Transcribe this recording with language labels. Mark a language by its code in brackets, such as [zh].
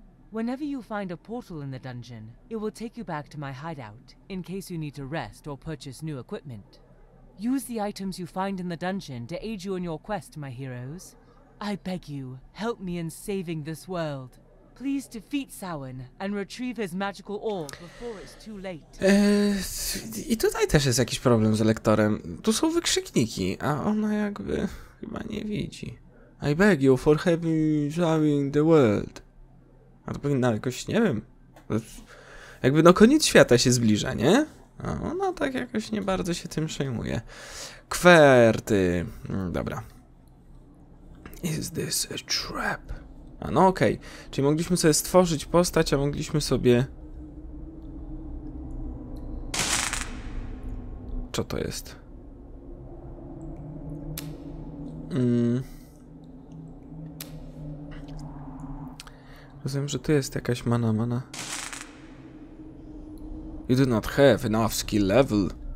[en] Whenever you find a portal in the dungeon, it will take you back to my hideout, in case you need to rest or purchase new equipment. Use the items you find in the dungeon to aid you in your quest, my heroes. I beg you, help me in saving this world. Please defeat Samhain and retrieve his magical orb before it's too late. [pl] I tutaj też jest jakiś problem z lektorem. Tu są wykrzykniki, a ona jakby chyba nie widzi. [en] I beg you for having saving the world. [pl] A to powinna jakoś, nie wiem. Jakby no koniec świata się zbliża, nie? A ona tak jakoś nie bardzo się tym przejmuje. Kwerty. Dobra. [en] Is this a trap? [pl] A no okej, okay. Czyli mogliśmy sobie stworzyć postać, a mogliśmy sobie... Co to jest? Rozumiem, że tu jest jakaś mana. [en] You do not have enough skill level.